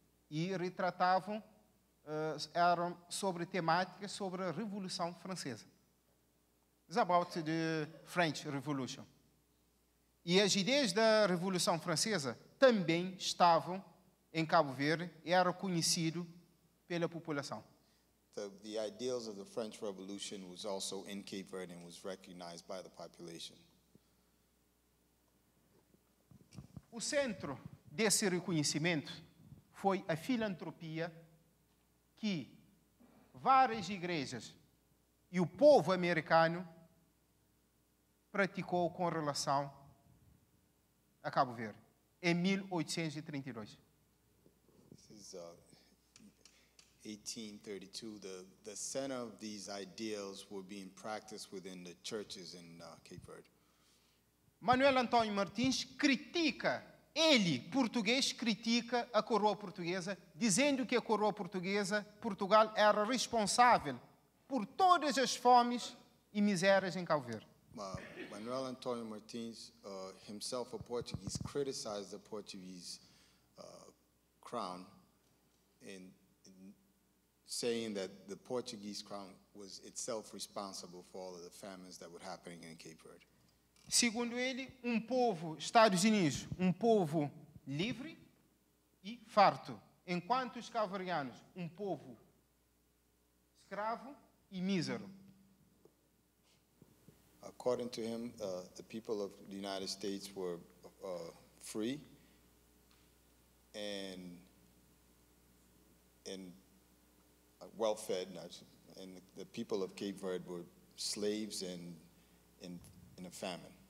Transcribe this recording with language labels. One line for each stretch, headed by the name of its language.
Portuguese: e retratavam, eram sobre temáticas sobre a Revolução Francesa.
English: It's about the French Revolution.
Portuguese: E as ideias da Revolução Francesa também estavam em Cabo Verde e eram conhecidas pela população.
English: The ideals of the French Revolution was also in Cape Verde and was recognized by the population.
Portuguese: O centro desse reconhecimento foi a filantropia que várias igrejas e o povo americano praticou com relação a Cabo Verde em 1832.
English: This is 1832. The center of these ideals were being practiced within the churches in Cape Verde.
Portuguese: Manuel António Martins critica, ele, português, critica a coroa portuguesa, dizendo que a coroa portuguesa, Portugal, era responsável por todas as fomes e misérias em Cabo Verde.
English: Manuel Antonio Martins, himself a Portuguese, criticized the Portuguese crown in saying that the Portuguese crown was itself responsible for all of the famines that were happening in Cape Verde.
Portuguese: Segundo ele, povo, Estados Unidos, povo livre e farto, enquanto os cavarianos, povo escravo e mísero.
English: According to him, the people of the United States were free and well-fed, and the people of Cape Verde were slaves and in a famine.